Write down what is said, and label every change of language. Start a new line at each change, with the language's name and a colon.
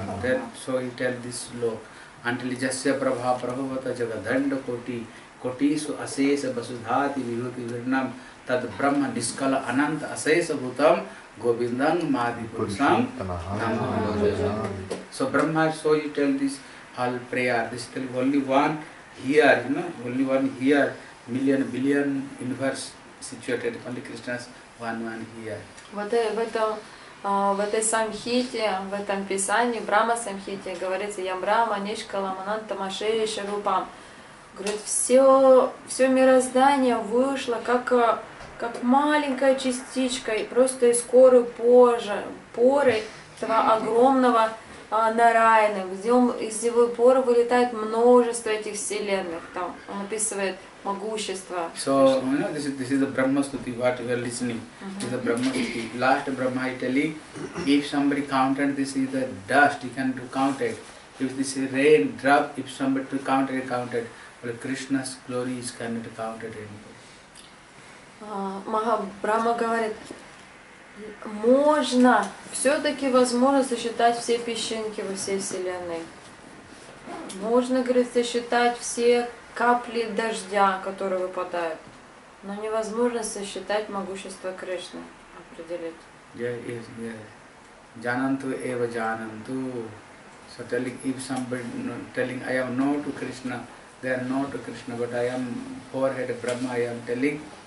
English: Then, so he tell this slok.
Sanskrit: Until jasya prabha prabhavata jaga dhanda koti kotisu asesa basudhati vinuti virnam tad brahma niskala ananta asesa bhutam govindam madhipurusam namahalajajam.
English: So Brahma, so you tell this all prayer, this tell only one here, you know, only one here, million, billion universe situated, only Krishna's one here.
Russian: В этой самхите, в этом писании, в Брама-самхите говорится
Sanskrit: «Ям Брама, Нишкала, Мананта, Машея, Шарупам».
Russian: Говорит, все мироздание вышло как маленькая частичка, и просто из коры поры этого огромного Нараяны, из его поры вылетает множество этих вселенных. Там он описывает могущество.
English: So, you know, this is the Brahma Stuti, what you are listening. Uh-huh. This is the Brahma Stuti. Last Brahma I tell you, if somebody counted, this is the dust, you can count it. If this is a rain drop, if somebody to count it, well, Krishna's glory is cannot count it anymore.
Russian: Махабрама говорит, можно все-таки возможно сосчитать все песчинки во всей вселенной. Можно, говорит, сосчитать все капли дождя, которые выпадают. Но невозможно сосчитать могущество Кришны, определить.
Sanskrit: Jananto eva jananto.
English: So telling, if somebody telling, I am not Krishna, they are not Krishna, but I am forehead Brahma, I am telling.